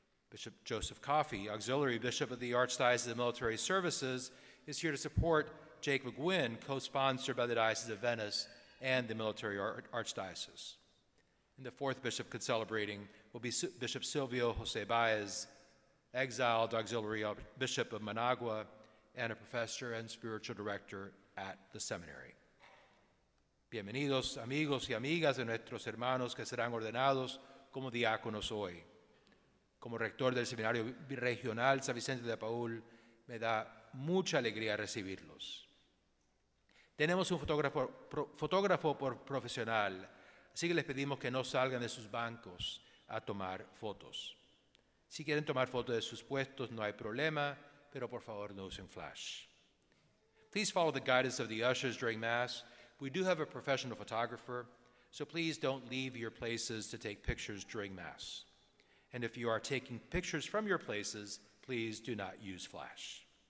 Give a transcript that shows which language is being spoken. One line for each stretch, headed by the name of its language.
English: Bishop Joseph Coffey, Auxiliary Bishop of the Archdiocese of the Military Services, is here to support Jakub Gwynn, co-sponsored by the Diocese of Venice and the Military Archdiocese. And the fourth bishop celebrating will be Bishop Silvio Jose Baez, exiled auxiliary bishop of Managua and a professor and spiritual director at the seminary.
Spanish: Bienvenidos, amigos y amigas de nuestros hermanos que serán ordenados como diáconos hoy. Como rector del Seminario Regional San Vicente de Paul, me da mucha alegría recibirlos. Tenemos un fotógrafo por profesional, así que les pedimos que no salgan de sus bancos a tomar fotos. Si quieren tomar fotos de sus puestos, no hay problema, pero por favor no usen flash.
English: Please follow the guidance of the ushers during Mass. We do have a professional photographer, so please don't leave your places to take pictures during Mass. And if you are taking pictures from your places, please do not use flash.